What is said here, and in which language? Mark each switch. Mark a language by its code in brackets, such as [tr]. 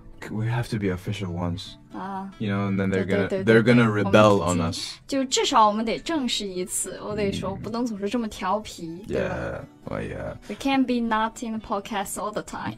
[en] We have to be official once,you know, and then they're gonna rebel on us. [zh] 就至少我们得正式一次，我得说不能总是这么调皮。 [en] Yeah, well, yeah. We can't be not in the podcast all the time.